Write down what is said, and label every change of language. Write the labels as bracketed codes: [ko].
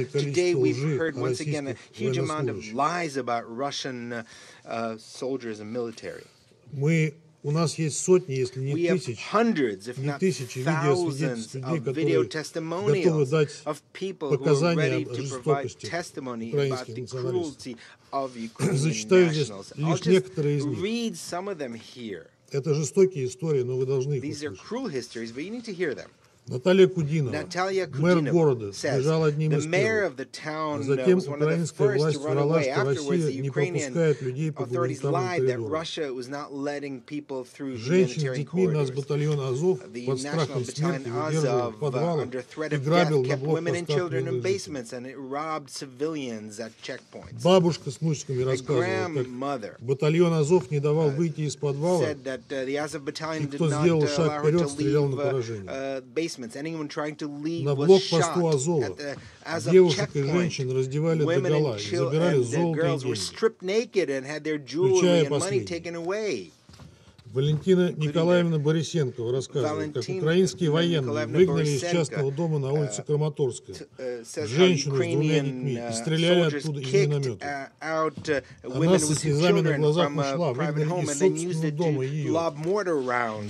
[en] Today we've heard once again a huge amount of lies about Russian soldiers and military. We have hundreds, if not thousands, of video testimonials of people who are ready to provide testimony about the cruelty of Ukrainian nationals. I'll just read some of them here. [ru] Это жестокие истории, но вы должны их услышать. [en] Cruel histories, but you need to hear them. [ru] Наталья Кудинова, мэр города, бежала одним из первых. Затем украинская власть врала, что Россия не пропускает людей по гуманитарным коридорам. Женщин с детьми нас батальон Азов под страхом смерти удерживал в подвалах и грабил на блокпостах. Бабушка с мучками рассказывала, как батальон Азов не давал выйти из подвала, и кто сделал шаг вперед, стрелял на поражение. [en] Anyone trying to leave was shot at the Azov checkpoint. Women and children, the girls were stripped naked and had their jewelry and money taken away. [ru] Валентина Николаевна Борисенкова рассказывает, как украинские военные выгнали из частного дома на улице Краматорская женщину с двумя детьми и стреляли оттуда из миномета. Она со слезами на глазах ушла, выгнали из собственного дома ее.